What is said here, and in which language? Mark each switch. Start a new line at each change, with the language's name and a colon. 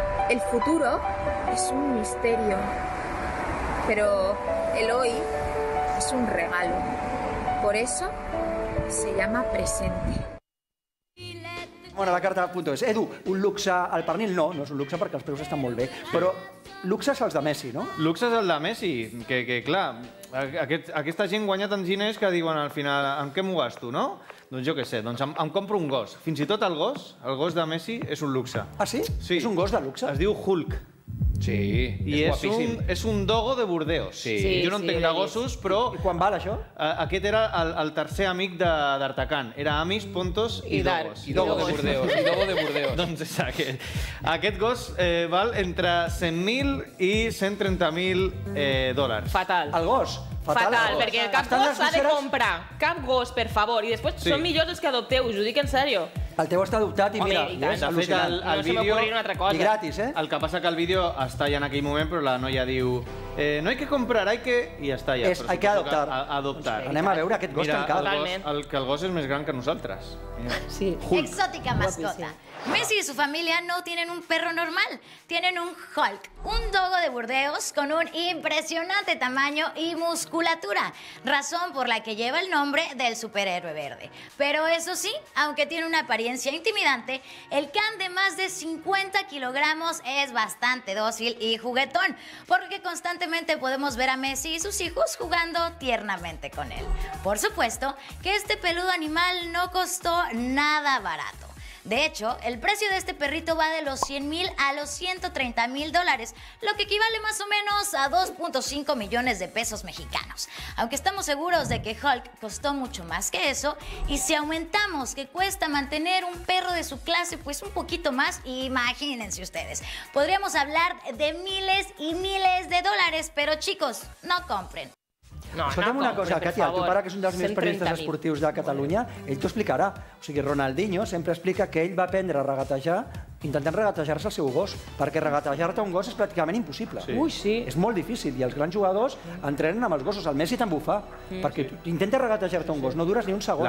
Spanish: El futuro es un misterio, pero el hoy es un regalo. Por eso se llama presente.
Catalan: Bueno, la carta punto es, Edu, un luxe al pernil? No, no és un luxe perquè els preus estan molt bé, però luxes els de Messi, no? Luxes els de Messi, que clar, aquesta gent guanya tants diners que diuen al final, en què m'ho gasto, no? Doncs jo què sé, doncs em compro un gos. Fins i tot el gos de Messi, és un luxe. Ah, sí? Sí. És un gos de luxe? Es diu Hulk. Sí, és guapíssim. I és un dogo de Bordeaux. Sí. Jo no entenc de gossos, però... I quan val, això? Aquest era el tercer amic d'Artacan. Era Amis, Pontos i Dogos. I dogo de Bordeaux. I dogo de Bordeaux. Doncs és aquest. Aquest gos val entre 100.000 i 130.000 dòlars. Fatal. El gos? Fatal, perquè cap gos s'ha de comprar. Cap gos, per favor. I després són millors els que adopteu, us ho dic en sèrio. El teu està adoptat i mira, és al·lucinant. No se m'ocorri una altra cosa. I gratis, eh? El que passa que el vídeo està ja en aquell moment, però la noia diu...
Spanish: No hay que comprar, hay que...
Catalan: I ja està, ja.
Spanish: Hay que adoptar. Adoptar.
Catalan: Anem a veure aquest gos tancat. Mira, el gos és més gran que nosaltres. Sí. Exòtica mascota.
Spanish: Messi y su familia no tienen un perro normal, tienen un Hulk, un dogo de Burdeos con un impresionante tamaño y musculatura, razón por la que lleva el nombre del superhéroe verde. Pero eso sí, aunque tiene una apariencia intimidante, el can de más de 50 kilogramos es bastante dócil y juguetón, porque constantemente podemos ver a Messi y sus hijos jugando tiernamente con él. Por supuesto que este peludo animal no costó nada barato. De hecho, el precio de este perrito va de los 100.000 a los 130.000 dólares, lo que equivale más o menos a 2.5 millones de pesos mexicanos. Aunque estamos seguros de que Hulk costó mucho más que eso, y si aumentamos que cuesta mantener un perro de su clase, pues un poquito más, imagínense ustedes. Podríamos hablar de miles y miles de dólares, pero chicos, no compren.
Catalan: Escolta'm una cosa, Katia, el teu pare, que és un dels més periodistes esportius de Catalunya, ell t'ho explicarà. O sigui, Ronaldinho sempre explica que ell va aprendre a regatejar intentant regatejar-se el seu gos, perquè regatejar-te un gos és pràcticament impossible. Ui, sí. És molt difícil, i els grans jugadors entrenen amb els gossos. El Messi també ho fa, perquè intenta regatejar-te un gos, no dures ni un segon.